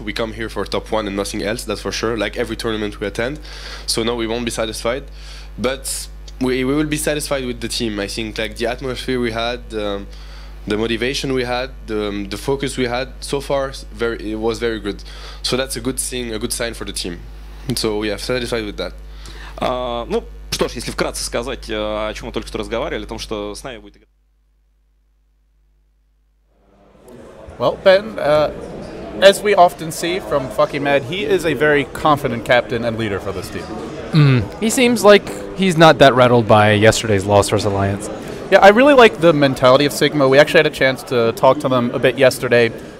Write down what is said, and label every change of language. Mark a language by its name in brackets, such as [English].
[English] We come here for top 1 and nothing else, that's for sure, like every tournament we attend. So no, we won't be satisfied. But we will be satisfied with the team. I think like the atmosphere we had, the motivation we had, the focus we had, so far it was very good. So that's a good thing, a good sign for the team. And so yeah, satisfied with that. [Russian] Ну что ж, если вкратце сказать, о чем мы только что разговаривали, о том, что с нами будет играть. [English] Well, Ben, as we often see from Fucky Mad, he is a very confident captain and leader for this team. He seems like he's not that rattled by yesterday's loss versus Alliance. Yeah, I really like the mentality of Sigma. We actually had a chance to talk to them a bit yesterday.